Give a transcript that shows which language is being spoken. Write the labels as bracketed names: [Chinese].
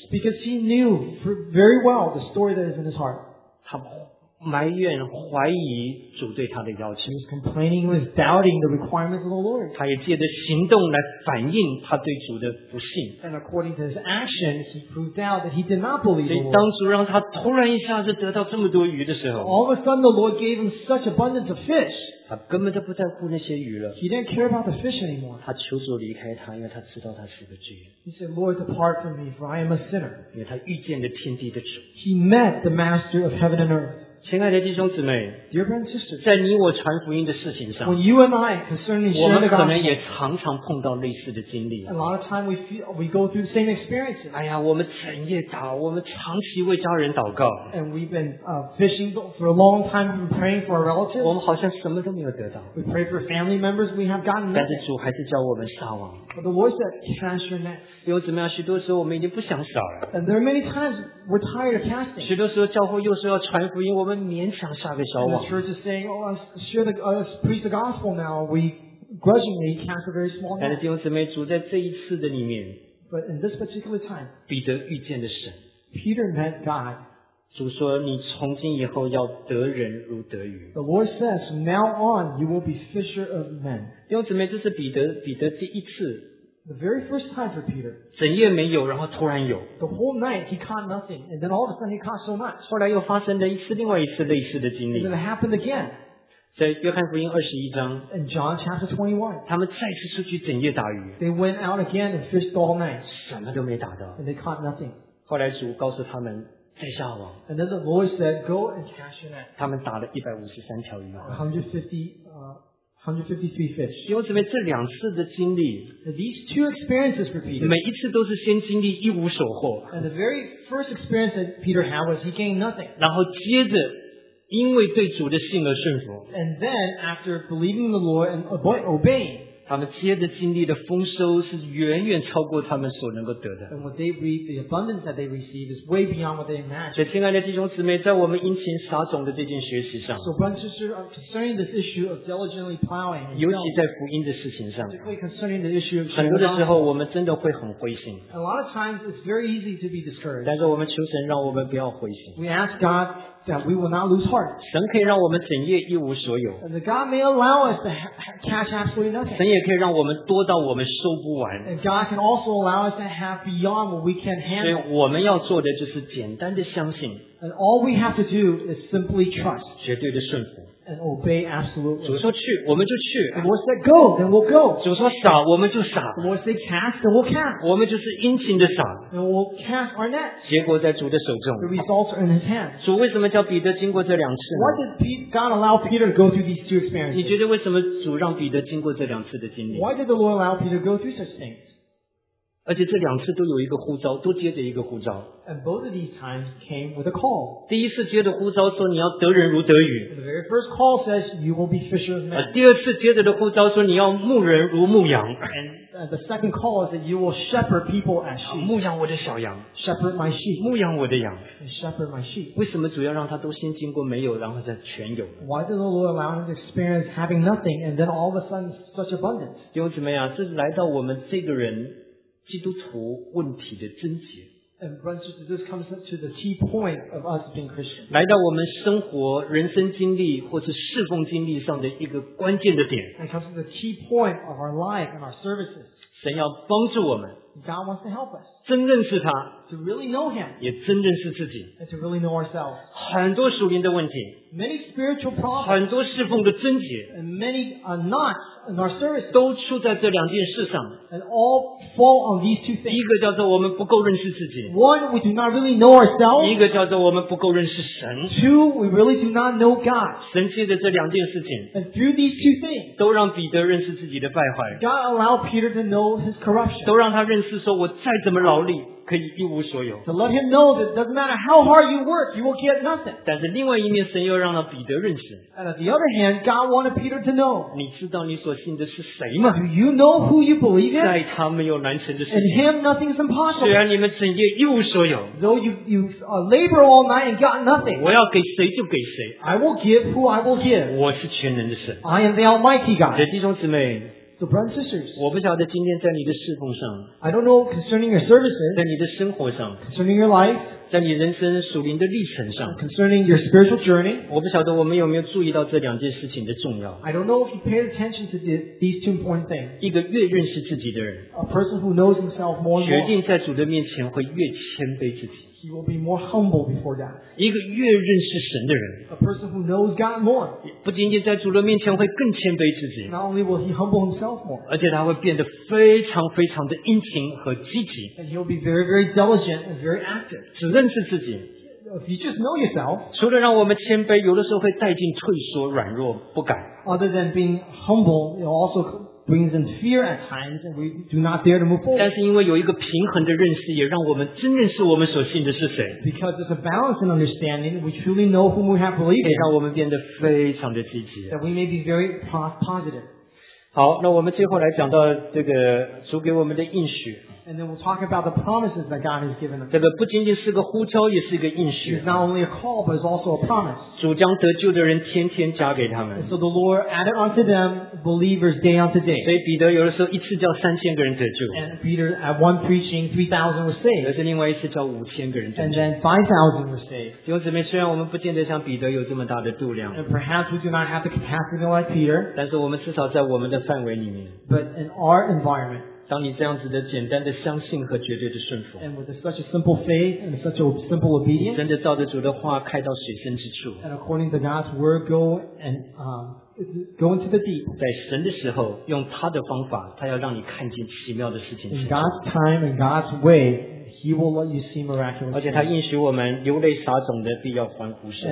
[English] Because he knew very well the story that is in his heart. [Chinese] 他埋怨怀疑主对他的要求 [English] He was complaining, he was doubting the requirements of the Lord. [Chinese] 他也借着行动来反映他对主的不信 [English] And according to his actions, he proved out that he did not believe the Lord. [Chinese] 所以当主让他突然一下子得到这么多鱼的时候 [English] All of a sudden, the Lord gave him such abundance of fish. [Chinese] 他根本都不在乎那些鱼了 [English] He didn't care about the fish anymore. [Chinese] 他求主离开他因为他知道他是个罪人 [English] He said, Lord, depart from me, for I am a sinner. [Chinese] 因为他遇见了天地的主 [English] He met the master of heaven and earth. [Chinese] 亲爱的弟兄姊妹 [English] Dear friends, sisters, [Chinese] 在你我传福音的事情上 [English] when you and I concerning sharing the gospel, [Chinese] 我们可能也常常碰到类似的经历 [English] A lot of time we go through the same experiences [Chinese] 哎呀我们整夜祷我们长期为家人祷告 [English] And we've been fishing for a long time and praying for our relatives [Chinese] 我们好像什么都没有得到 [English] We pray for family members we have gotten nothing [Chinese] 但是主还是叫我们撒网 [English] But the Lord said cast your net [Chinese] 弟兄姊妹许多时候我们已经不想撒了 [English] And there are many times we're tired of casting [Chinese] 许多时候教会又说要传福音我们勉强下个小网 [English] And the church is saying, oh, preach the gospel now. We grudgingly cast a very small net. [Chinese] 弟兄姊妹，主在这一次的里面 [English] But in this particular time, [Chinese] 彼得遇见了神 [English] Peter met God. [Chinese] 主说，你从今以后要得人如得鱼 [English] The Lord says, now on, you will be fisher of men. [Chinese] 弟兄姊妹，这是彼得第一次 [English] The very first time for Peter. [Chinese] 整夜没有，然后突然有。 [English] The whole night he caught nothing, and then all of a sudden he caught so much. [Chinese] 后来又发生了一次另外一次类似的经历。 [English] And it happened again. [Chinese] 在约翰福音二十一章。 [English] In John chapter 21. [Chinese] 他们再次出去整夜打鱼。 [English] They went out again and fished all night. [Chinese] 什么都没打到。 [English] And they caught nothing. [Chinese] 后来主告诉他们再下网。 [English] And then the Lord said, "Go and cast your net." [Chinese] 他们打了153条鱼。 [English] 153 fish. [Chinese] 因为这边这两次的经历 [English] These two experiences for Peter. [Chinese] 每一次都是先经历一无所获 [English] And the very first experience that Peter had was he gained nothing. [Chinese] 然后接着因为对主的信而顺服 [English] And then after believing the Lord and obeying. [Chinese] 他们接着经历的丰收是远远超过他们所能够得的 [English] And what they reap, the abundance that they receive is way beyond what they imagine. [Chinese] 所以亲爱的弟兄姊妹在我们殷勤撒种的这件学习上 [English] So brothers and sisters, concerning this issue of diligently plowing [Chinese] 尤其在福音的事情上 [English] particularly concerning the issue of [Chinese] 很多的时候我们真的会很灰心 [English] A lot of times it's very easy to be discouraged. [Chinese] 但是我们求神让我们不要灰心 [English] We ask God that we will not lose heart. [Chinese] 神可以让我们整夜一无所有 [English] And God may allow us to cash absolutely nothing. [Chinese] 也可以让我们多到我们收不完。 [English] And God can also allow us to have beyond what we can handle. [Chinese] 所以我们要做的就是简单的相信。 [English] And all we have to do is simply trust. [Chinese] 绝对的顺服。 [English] And obey absolutely. [Chinese] 主说去，我们就去。 [English] The Lord said go, then we'll go. [Chinese] 主说撒，我们就撒。 [English] The Lord said cast, then we'll cast. [Chinese] 我们就是殷勤的撒。 [English] And we'll cast our net. [Chinese] 结果在主的手中。 [English] The results are in His hand. [Chinese] 主为什么叫彼得经过这两次呢 [English] ？Why did God allow Peter to go through these two experiences? [Chinese] 你觉得为什么主让彼得经过这两次的经历 [English] ？Why did the Lord allow Peter to go through such things? [Chinese] 而且这两次都有一个呼召，都接着一个呼召。 [English] And both of these times came with a call. [Chinese] 第一次接着呼召说你要得人如得鱼。 [English] The very first call says you will be fishers of men. [Chinese] 第二次接着的呼召说你要牧人如牧羊。 [English] And the second call is that you will shepherd people as sheep. [Chinese] 牧养我的小羊。 [English] Shepherd my sheep. [Chinese] 牧养我的羊。 [English] And shepherd my sheep. [Chinese] 为什么主要让他都先经过没有，然后再全有 [English] ？Why did the Lord allow him to experience having nothing and then all of a sudden such abundance? [Chinese] 弟兄姊妹啊，这是来到我们这个人。基督徒问题的症结 [English] And brothers, this comes to the key point of us being Christian. [Chinese] 来到我们生活、人生经历或是侍奉经历上的一个关键的点 [English] And comes to the key point of our life and our services. [Chinese] 神要帮助我们 [English] God wants to help us. [Chinese] 真认识他, [English] to really know him. [Chinese] 也真认识自己, [English] and to really know ourselves. [Chinese] 很多属灵的问题, [English] many spiritual problems. [Chinese] 很多侍奉的症结, [English] and many knots in our service. [Chinese] 都出在这两件事上, [English] and all fall on these two things. [Chinese] 一个叫做我们不够认识自己, [English] one, we do not really know ourselves. [Chinese] 一个叫做我们不够认识神, [English] two, we really do not know God. [Chinese] 神借着这两件事情, [English] and through these two things, [Chinese] 都让彼得认识自己的败坏, [English] God allowed Peter to know his corruption. [Chinese] 都让他认识说我再怎么老可以一无所有。 [English] To let him know that it doesn't matter how hard you work, you will get nothing. [Chinese] 但是另外一面，神又让了彼得认识。 [English] And on the other hand, God wanted Peter to know. [Chinese] 你知道你所信的是谁吗？ [English] Do you know who you believe in? [Chinese] 在他没有难成的事情。 [English] In him, nothing is impossible. [Chinese] 虽然你们整夜一无所有。 [English] Though you labor all night and got nothing. [Chinese] 我要给谁就给谁。 [English] I will give who I will give. [Chinese] 我是全能的神。 [English] I am the Almighty God. [Chinese] 这弟兄姊妹。 [English] So brothers and sisters, [Chinese] 我不晓得今天在你的侍奉上, [English] I don't know concerning your services, [Chinese] 在你的生活上, [English] concerning your life, [Chinese] 在你人生属灵的历程上, [English] concerning your spiritual journey, [Chinese] 我不晓得我们有没有注意到这两件事情的重要。 [English] I don't know if you pay attention to these two important things. [Chinese] 一个越认识自己的人, [English] a person who knows himself more and more, [Chinese] 决定在主的面前会越谦卑自己。 [English] He will be more humble before that. [Chinese] 一个越认识神的人, [English] a person who knows God more, [Chinese] 不仅仅在主的面前会更谦卑自己, [English] not only will he humble himself more, [Chinese] 而且他会变得非常非常的殷勤和积极, [English] and he'll be very, very diligent and very active. [Chinese] 只认识自己, [English] if you just know yourself, [Chinese] 除了让我们谦卑, 有的时候会带进退缩, 软弱, 不敢, [English] other than being humble, it also brings in fear at times, and we do not dare to move forward. [Chinese] 但是因为有一个平衡的认识，也让我们真认识我们所信的是谁。 [English] Because it's a balance in understanding, we truly know whom we have believed. [Chinese] 也让我们变得非常的积极。 [English] That we may be very positive. [Chinese] 好，那我们最后来讲到这个主给我们的应许。 [English] And then we'll talk about the promises that God has given us. [Chinese] 这个不仅仅是个呼召，也是一个应许。 [English] It's not only a call, but it's also a promise. [Chinese] 主将得救的人天天加给他们。 [English] So the Lord added unto them believers day unto day. [Chinese] 所以彼得有的时候一次叫三千个人得救。 [English] And Peter, at one preaching, 3,000 were saved. [Chinese] 而是另外一次叫五千个人得救。 [English] And then 5,000 were saved. [Chinese] 弟兄姊妹，虽然我们不见得像彼得有这么大的度量。 [English] And perhaps we do not have the capacity like Peter. [Chinese] 但是我们至少在我们的范围里面。 [English] But in our environment. [Chinese] 当你这样子的简单的相信和绝对的顺服 [English] and with such a simple faith and such a simple obedience [Chinese] 真的照着主的话开到水深之处 [English] and according to God's word go into the deep [Chinese] 在神的时候用他的方法他要让你看见奇妙的事情 [English] in God's time and God's way He will let you see miraculous things [Chinese] 而且他应许我们流泪撒种的必要欢呼声